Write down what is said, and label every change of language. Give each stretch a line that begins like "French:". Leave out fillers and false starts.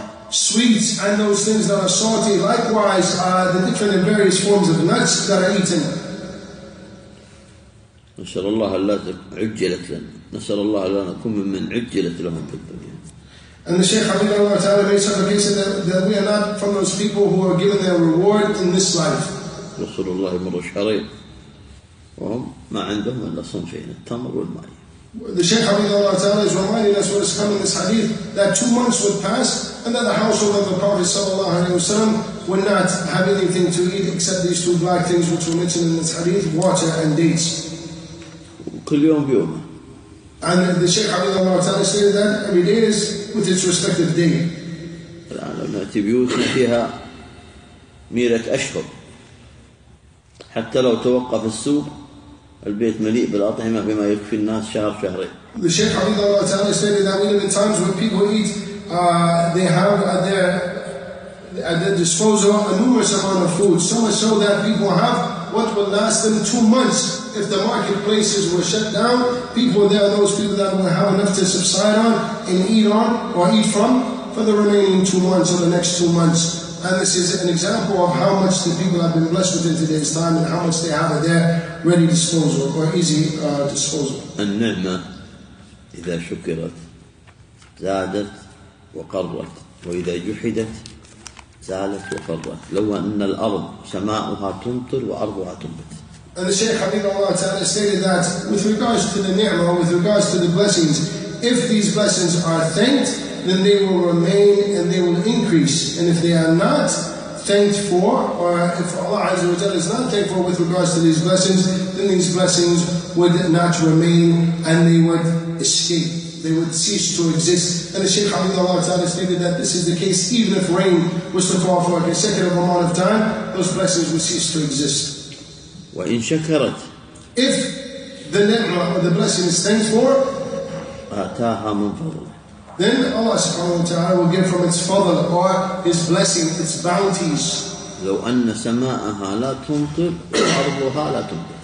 English: Sweets and those things that are salty. Likewise, the different and various forms of nuts that are eaten.
Arabic: نسأل الله ألا عجلت لنا نسأل الله ألا نكون ممن عجلت لهم في الدنيا.
English: And the Shaykh Habib Allah Ta'ala very sadly said that we are not from those people who are given their reward in this life.
Arabic: رسول الله مر شهرين وهم ما عندهم إلا صنفين التمر والماء.
English: The Shaykh Habib Allah Ta'ala is reminding us what is coming in this hadith that 2 months would pass and that the household of the Prophet sallallahu alaihi wasallam would not have anything to eat except these two black things which were mentioned in this hadith, water and dates.
Arabic: كل يوم بيومه.
English: And the Shaykh Habib Allah Ta'ala stated that every day is with its respective day.
Arabic: الآن لو نأتي بيوتنا فيها ميرة أشهر حتى لو توقف السوق البيت مليء بالأطعمة بما يكفي الناس شهر شهرين.
English: The Shaykh Habib Allah Ta'ala stated that even in times when people eat, they have at their disposal a numerous amount of food, so much so that people have what will last them 2 months. If the marketplaces were shut down, people, there are those people that will have enough to subside on and eat on or eat from for the remaining 2 months or the next 2 months. And this is an example of how much the people have been blessed with in today's time and how much they have at their ready disposal or easy disposal.
Arabic: النعمه اذا شكرت زادت وقرت واذا جحدت زالت وقرت لو ان الارض سماؤها تمطر وارضها تنبت.
English: And the Shaykh Habibullah Ta'ala stated that with regards to the ni'mah, with regards to the blessings, if these blessings are thanked, then they will remain and they will increase. And if they are not thanked for, or if Allah Azza wa Jalla is not thankful with regards to these blessings, then these blessings would not remain and they would escape. They would cease to exist. And the Shaykh Habibullah Ta'ala stated that this is the case even if rain was to fall for a consecutive amount of time, those blessings would cease to exist.
Arabic: وإن شكرت
English: if the ni'mah or the blessing is thanked for
Arabic: آتاها من فضل
English: then Allah subhanahu wa ta'ala will give from its fadl or his blessing, its bounties.
Arabic: لو أن سماءها لا تمطر وأرضها لا تمطر